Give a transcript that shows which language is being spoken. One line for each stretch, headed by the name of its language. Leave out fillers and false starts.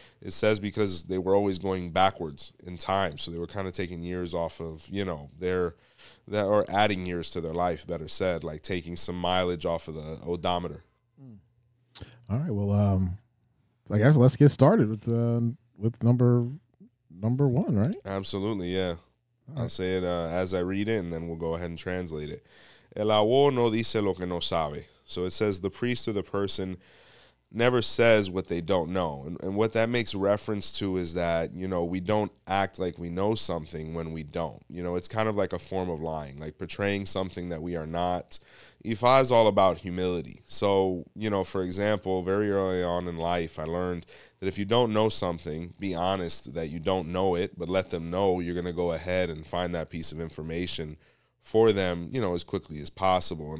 English: It says because they were always going backwards in time. So they were kind of taking years off of, you know, or adding years to their life, better said, like taking some mileage off of the odometer. All right. Well, I guess let's get started with number one, right? Absolutely, yeah. Right. I'll say it as I read it, and then we'll go ahead and translate it.
Spanish: El awo no dice lo que no sabe.
English: So it says the priest or the person never says what they don't know. And what that makes reference to is that, you know, we don't act like we know something when we don't. You know, it's kind of like a form of lying, like portraying something that we are not. Ifa is all about humility. So, you know, for example, very early on in life, I learned that if you don't know something, be honest that you don't know it, but let them know you're going to go ahead and find that piece of information for them, you know, as quickly as possible.